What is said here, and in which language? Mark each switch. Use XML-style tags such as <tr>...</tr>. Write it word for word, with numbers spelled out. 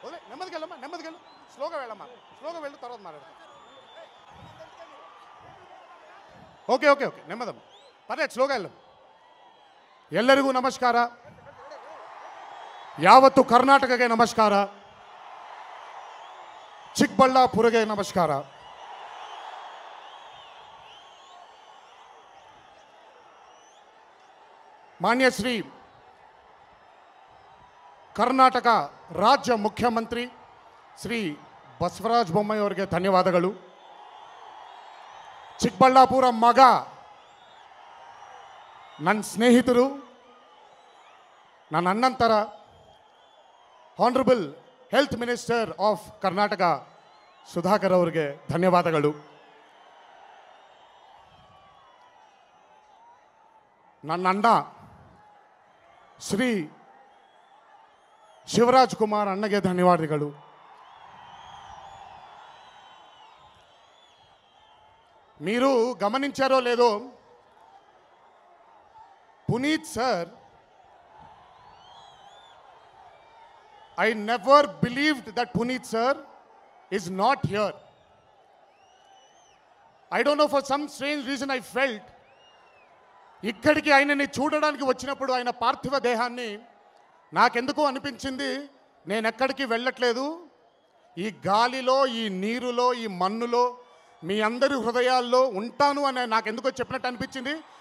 <te>నెమ్మదికెళ్ళమ్మ నెమ్మదికెళ్ళు స్లోగా వెళ్ళమ్మ స్లోగా వెళ్ళి తర్వాత మాట్లాడతాం. ఓకే ఓకే ఓకే నెమ్మదమ్మ పర్లేదు స్లోగా వెళ్ళమ్మ.</te> <kn>ಎಲ್ಲರಿಗೂ ನಮಸ್ಕಾರ. ಯಾವತ್ತು ಕರ್ನಾಟಕಕ್ಕೆ ನಮಸ್ಕಾರ, ಚಿಕ್ಕಬಳ್ಳಾಪುರಗೆ ನಮಸ್ಕಾರ. ಮಾನ್ಯ ಶ್ರೀ ಕರ್ನಾಟಕ ರಾಜ್ಯ ಮುಖ್ಯಮಂತ್ರಿ ಶ್ರೀ ಬಸವರಾಜ ಬೊಮ್ಮಾಯಿ ಅವರಿಗೆ ಧನ್ಯವಾದಗಳು. ಚಿಕ್ಕಬಳ್ಳಾಪುರ ಮಗ, ನನ್ನ ಸ್ನೇಹಿತರು, ನನ್ನ ಅಣ್ಣಂತರ</kn> <en>honourable health minister of</en> <kn>Karnataka Sudhakar ಅವರಿಗೆ ಧನ್ಯವಾದಗಳು. ನನ್ನ ಅಣ್ಣ ಶ್ರೀ ಶಿವರಾಜ್ ಕುಮಾರ್ ಅಣ್ಣಗೆ ಧನ್ಯವಾದಗಳು.</kn> <te>మీరు గమనించారో లేదో, Puneeth sir,</te> <en>I never believed that Puneet sir is not here. I don't know, for some strange reason I felt</en> <te>ఇక్కడికి ఆయనని చూడడానికి వచ్చినప్పుడు ఆయన పార్థివ దేహాన్ని నాకెందుకు అనిపించింది, నేను ఎక్కడికి వెళ్ళట్లేదు, ఈ గాలిలో, ఈ నీరులో, ఈ మన్నులో, మీ అందరి హృదయాల్లో ఉంటాను అని నాకెందుకో చెప్పినట్టు అనిపించింది.</te>